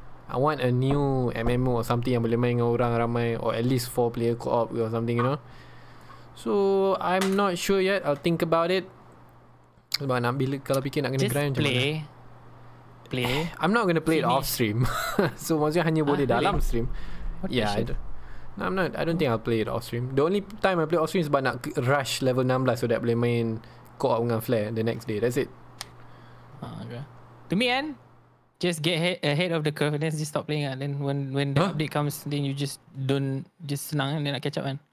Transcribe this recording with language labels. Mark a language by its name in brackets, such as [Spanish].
[English] I want a new MMO or something [Malay] yang boleh main dengan orang ramai. [English] Or at least 4-player co-op or something, you know. So, I'm not sure yet. I'll think about it. [Malay] Sebab nak bila, kalau fikir nak kena [English] just grind play, [Malay] macam mana? [English] Play. I'm not going to play it off stream. [Malay] So maksudnya hanya boleh dalam stream. [English] I don't think I'll play it off stream. The only time I play off stream is [Malay] sebab nak [English] rush level 16 so that [Malay] boleh main [English] co-op dengan Flare the next day. That's it. To me kan, just get ahead of the curve and then just stop playing. Then when the update comes, then you just just senang and then nak catch up kan.